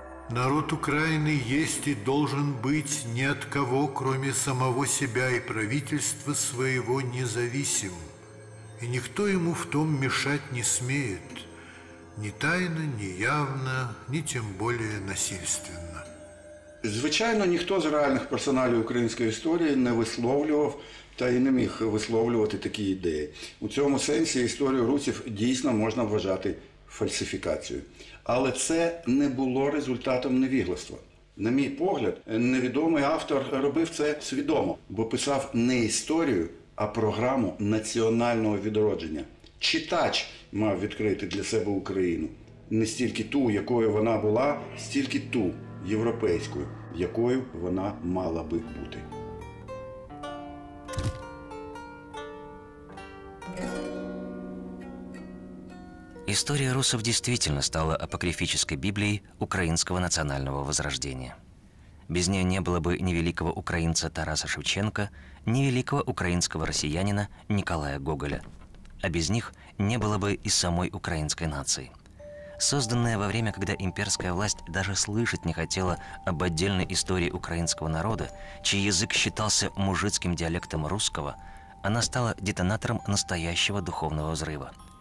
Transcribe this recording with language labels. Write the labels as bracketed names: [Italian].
[Russian] Народ Украины есть и должен быть ни от кого, кроме самого себя и правительства своего, независим. И никто ему в том мешать не смеет. Ни тайно, ни явно, ни тем более насильственно. [Ukrainian] Звичайно, ніхто з реальних персоналів української історії не висловлював та й не міг висловлювати такі ідеї. У цьому сенсі історію русів дійсно можна вважати фальсифікацією. Але це не було результатом невігластва. На мій погляд, невідомий автор робив це свідомо, бо писав не історію, а програму національного відродження. Читач мав відкрити для себе Україну, не стільки ту, якою вона була, стільки ту, європейською, якою вона мала би бути. Історія русів дійсно стала апокріфічною біблією українського національного возрождення. Без неї не було б ні великого українця Тараса Шевченка, ні великого українського росіянина Ніколая Гоголя. [Russian] А без них не было бы и самой украинской нации. Созданная во время, когда имперская власть даже слышать не хотела об отдельной истории украинского народа, чей язык считался мужицким диалектом русского, она стала детонатором настоящего духовного взрыва.